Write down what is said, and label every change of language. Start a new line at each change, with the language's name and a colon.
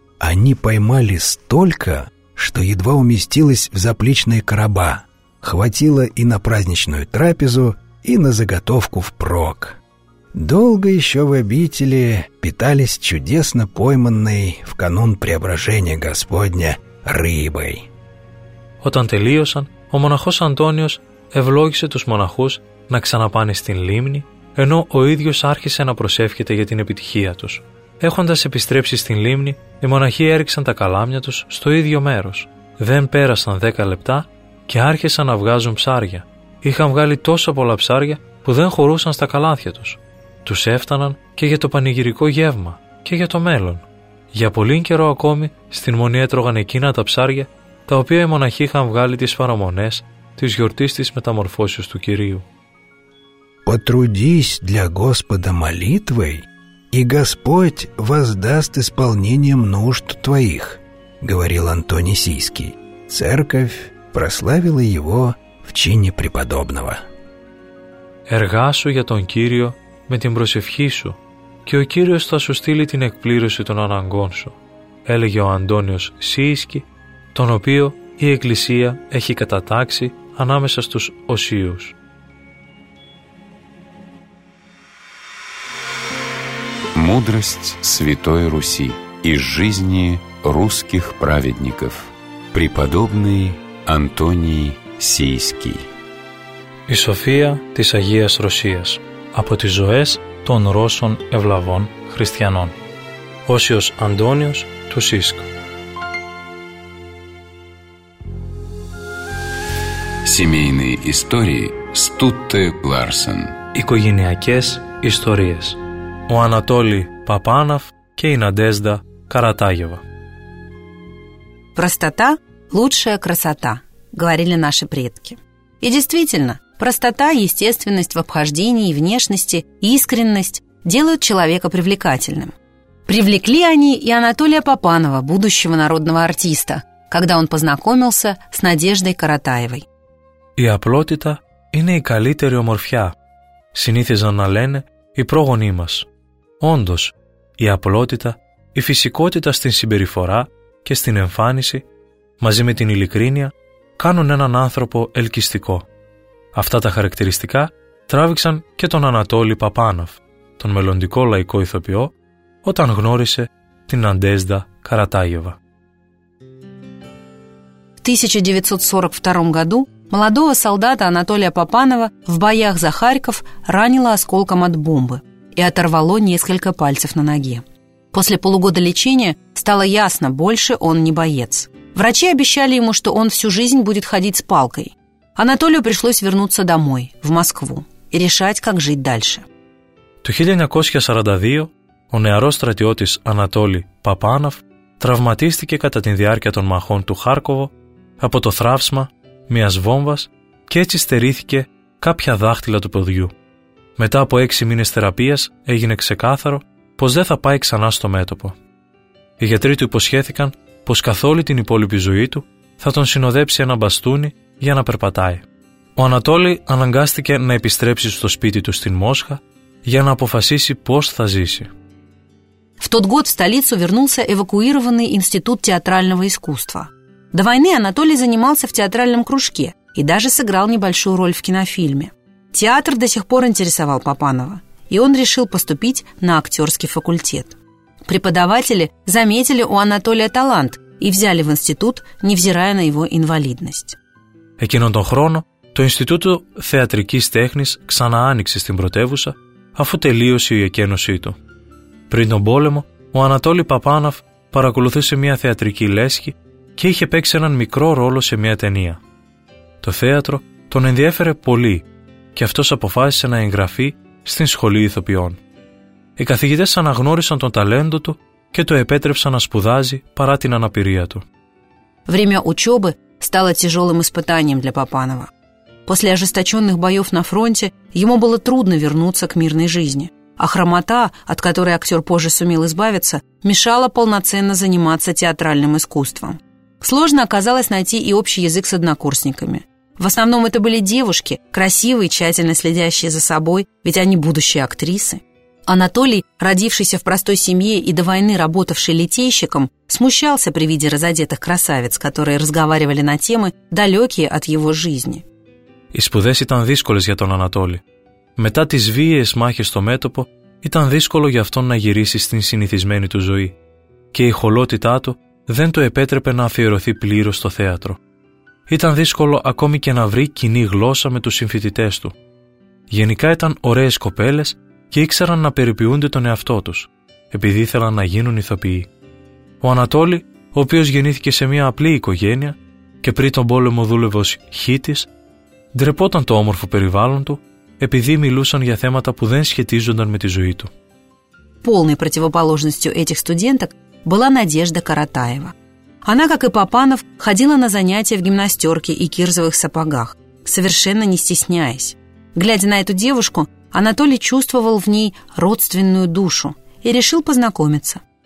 Russian: Они поймали столько, что едва уместилось в заплечные короба. Хватило и на праздничную трапезу, и на заготовку впрок. Долго еще в обители питались чудесно пойманной в канун преображения Господня рыбой.
Greek: Όταν τελείωσαν, ο μοναχός Αντώνιος ευλόγησε τους μοναχούς να ξαναπάνε στην λίμνη, ενώ ο ίδιος άρχισε να προσεύχεται για την επιτυχία τους. Έχοντας επιστρέψει στην λίμνη, οι μοναχοί έριξαν τα καλάμια τους στο ίδιο μέρος. Δεν πέρασαν 10 λεπτά και άρχισαν να βγάζουν ψάρια. Είχαν βγάλει τόσο πολλά ψάρια που δεν χωρούσαν στα καλάθια τους. Τους έφταναν και για το πανηγυρικό γεύμα και για το μέλλον. Για πολύ καιρό ακόμη στην μονή έτρωγαν εκείνα τα ψάρια τα οποία οι μοναχοί είχαν βγάλει τις παραμονές της γιορτής της μεταμορφώσεως του Κυρίου.
Russian: «Потрудись для Господа молитвой, и Господь воздаст исполнением нужд твоих», говорил Антоний Сийский. Церковь прославила его в чине преподобного.
Greek: «Εργάσου για τον Κύριο με την προσευχή σου, και ο Κύριος θα σου στείλει την εκπλήρωση των αναγκών σου», έλεγε ο Αντώνιος Σίσκι, τον οποίο η Εκκλησία έχει κατατάξει ανάμεσα στους οσίους.
Russian: Мудрость Святой Руси из жизни русских праведников. Преподобный Антоний Сийский.
Greek: Η Σοφία της Αγίας Ρωσίας από τις ζωές των Ρώσων ευλαβών χριστιανών. Όσιος Αντώνιος του Σίσκου.
Russian: Семейные истории Стутте Ларсен.
Greek: Οικογενειακές ιστορίες. Ο Ανατόλη Παπάναφ και η Ναντέζδα Καρατάγεβα.
Russian: Простота – лучшая красота, говорили наши предки. И действительно, простота, естественность в обхождении и внешности, искренность делают человека привлекательным. Привлекли они и Анатолия Папанова, будущего народного артиста, когда он познакомился с Надеждой Каратаевой.
Greek: «И απλότητα είναι η καλύτερη ομορφιά», συνήθιζαν να λένε οι πρόγονοί μας. Όντως, η απλότητα, η φυσικότητα στην συμπεριφορά και στην εμφάνιση, μαζί με την ειλικρίνεια, κάνουν έναν άνθρωπο ελκυστικό. Αυτά τα χαρακτηριστικά τράβηξαν και τον Ανατόλη Παπάναφ, τον μελλοντικό λαϊκό ηθοποιό, όταν γνώρισε την Ναντέζδα Καρατάγεβα.
Russian: В 1942 году молодого солдата Анатолия Папанова в боях за Харьков ранило осколком от бомбы и оторвало несколько пальцев на ноге. После полугода лечения стало ясно, больше он не боец. Врачи обещали ему, что он всю жизнь будет ходить с палкой. Анатолию пришлось вернуться домой, в Москву, и решать, как жить дальше.
Greek: Το 1942 ο νεαρός στρατιώτης Ανατόλη Παπάναφ τραυματίστηκε κατά τη διάρκεια των μαχών του Χάρκοβο από το θράψμα μιας βόμβας και έτσι στερήθηκε κάποια δάχτυλα του ποδιού. Μετά από 6 μήνες θεραπείας έγινε ξεκάθαρο πως δεν θα πάει ξανά στο μέτωπο. Οι γιατροί του υποσχέθηκαν πως καθ' όλη την υπόλοιπη ζωή του θα τον συνοδέψει ένα μπαστούνι για να περπατάει. Ο Ανατόλη αναγκάστηκε να επιστρέψει στο σπίτι του στην Μόσχα για να αποφασίσει πως θα ζήσει.
Russian: В тот год в столицу вернулся эвакуированный Институт театрального искусства. До войны Анатолий занимался в театральном кружке и даже сыграл небольшую роль в кинофильме. Театр до сих пор интересовал Папанова, и он решил поступить на актерский факультет. Преподаватели заметили у Анатолия талант и взяли в институт, невзирая на его инвалидность.
Greek: Εκείνον τον χρόνο, το Ινστιτούτο Θεατρικής Τέχνης ξανά άνοιξε στην πρωτεύουσα, αφού τελείωσε η εκένωσή του. Πριν τον πόλεμο, ο Ανατόλη Παπάναφ παρακολουθούσε μια θεατρική λέσχη και είχε παίξει έναν μικρό ρόλο σε μια ταινία. Το θέατρο τον ενδιέφερε πολύ και αυτός αποφάσισε να εγγραφεί στην σχολή ηθοποιών. Οι καθηγητές αναγνώρισαν τον ταλέντο του και το επέτρεψαν να σπουδάζει παρά την αναπηρία του.
Russian: Время учебы стало тяжелым испытанием для Папанова. После ожесточенных боев на фронте ему было трудно вернуться к мирной жизни, а хромота, от которой актер позже сумел избавиться, мешала полноценно заниматься театральным искусством. Сложно оказалось найти и общий язык с однокурсниками. В основном это были девушки, красивые, тщательно следящие за собой, ведь они будущие актрисы. Анатолий, родившийся в простой семье и до войны работавший литейщиком, смущался при виде разодетых красавиц, которые разговаривали на темы, далекие от его жизни.
Greek: Οι σπουδές ήταν δύσκολες για τον Ανατόλη. Μετά τις βίαιες μάχες στο μέτωπο, ήταν δύσκολο για αυτόν να γυρίσει στην συνηθισμένη του ζωή. Και η χολότητά του δεν το επέτρεπε να αφιερωθεί πλήρως στο θέατρο. Ήταν δύσκολο ακόμη και να βρει κοινή γλώσσα με τους συμφοιτητές του. Γενικά ήταν ωραίες κοπέλες και ήξεραν να περιποιούνται τον εαυτό τους, επειδή ήθελαν να γίνουν ηθοποιοί. Ο Ανατόλη, ο οποίος γεννήθηκε σε μια απλή οικογένεια και πριν τον πόλεμο δούλευε ως χήτης, ντρεπόταν το όμορφο περιβάλλον του, επειδή μιλούσαν για θέματα που δεν σχετίζονταν με τη ζωή του.
Russian: Полной противоположностью этих студенток была Надежда Каратаева. Она, как и Папанов, ходила на занятия в гимнастерке и кирзовых сапогах, совершенно не стесняясь. Глядя на эту девушку, Анатолий чувствовал в ней родственную душу и решил познакомиться.